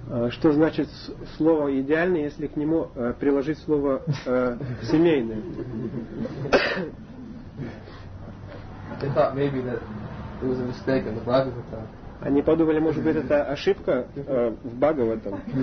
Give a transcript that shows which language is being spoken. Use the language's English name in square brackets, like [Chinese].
[Russian] Что значит слово "идеальное", если к нему приложить слово "семейное"? [English] They thought maybe that it was a mistake in the Bhagavata. [Russian] Они подумали, может быть, это ошибка в Бхагаватам.